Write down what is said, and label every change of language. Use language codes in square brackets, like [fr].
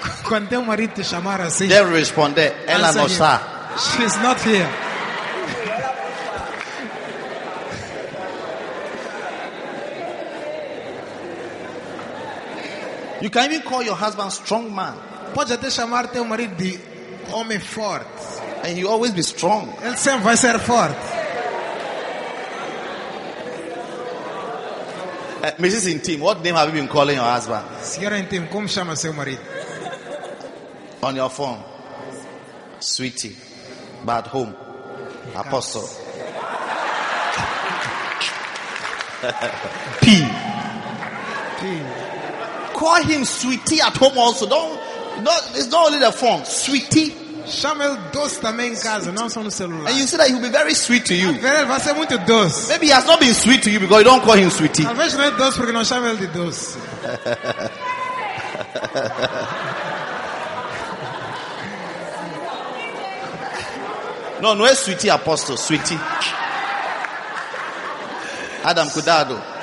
[pt] quando teu marido te chamar assim, [en] then respond, [pt] ela não está. [en] She's not here. You can even call your husband strong man. [pt] Pode até chamar teu marido de homem forte. [en] And he always be strong. [pt] Ele sempre vai ser forte. [en] Mrs. Intim, what name have you been calling your husband? [pt] Senhora Intim, como chama seu marido? [en] On your phone. Sweetie. But at home. Apostle. P. P. Call him sweetie at home also. It's not only the phone. Sweetie. [pt] Chama ele doce também em casa, sweet. Não só no celular. [en] And you see that he'll be very sweet to you. [pt] Ele vai ser muito doce. [en] Maybe he has not been sweet to you because you don't call him sweetie. [pt] Talvez não é doce porque não chama ele de doce. No, não é sweetie, apostle. Sweetie. Adam, cuidado.